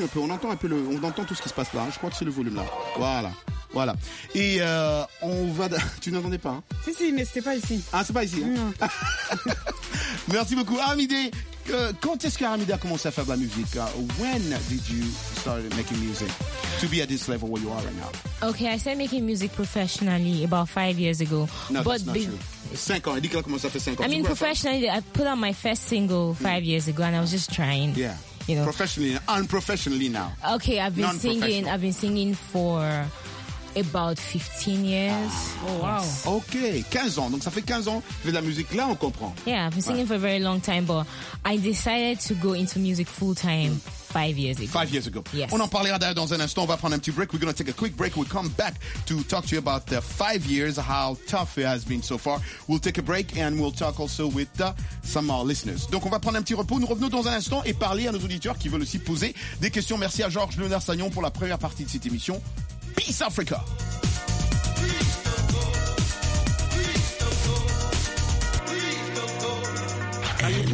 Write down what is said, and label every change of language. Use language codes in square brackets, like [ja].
[fr] On entend tout ce qui se passe là. Je crois que c'est le volume là. Voilà. Et on va. Tu n'entendais pas hein? Si, mais c'était pas ici. Ah, c'est pas ici. Hein? Non. Merci beaucoup, Aramidé. Quand est-ce qu'Aramidé a commencé à faire de la musique? [en] When did you start making music? To be at this level where you are right now. Okay, I started making music professionally about 5 years ago. No, but that's not true. [fr] 5 ans, elle dit qu'elle a commencé à faire 5 ans. [en] I mean, professionally, I put out my first single 5 years ago and I was just trying. Yeah, you know. Professionally, unprofessionally now. Okay, I've been singing for about 15 years. Oh, wow. [fr] Okay, 15 ans. Donc, ça fait 15 ans que je fais de la musique. Là, on comprend. [en] Yeah, I've been singing for a very long time, but I decided to go into music full time. Mm. 5 years ago. Yes. [fr] On en parlera d'ailleurs dans un instant. On va prendre un petit break. [en] We're going to take a quick break. We'll come back to talk to you about the 5 years, how tough it has been so far. We'll take a break and we'll talk also with some of our listeners. [fr] Donc, on va prendre un petit repos. Nous revenons dans un instant et parler à nos auditeurs qui veulent aussi poser des questions. Merci à Georges Léonard Sagnon pour la première partie de cette émission. [en] Peace Africa! Peace the goal. Peace the goal. Peace the goal.